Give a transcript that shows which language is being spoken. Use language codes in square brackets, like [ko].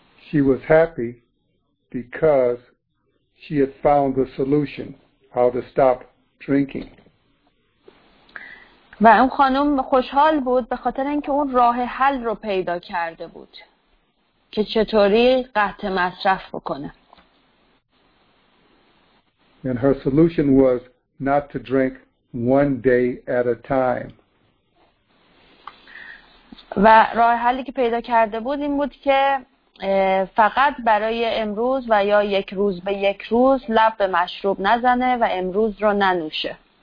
[en] She was happy because she had found the solution how to stop drinking. [fa] و اون خانم خوشحال بود به خاطر اینکه اون راه حل رو پیدا کرده بود که چطوری قطع مصرف بکنه. [en] And her solution was not to drink one day at a time. [fa] و راه حلی که پیدا کرده بود این بود که فقط برای امروز و یا یک روز به یک روز لب به مشروب نزنه و امروز رو ننوشه.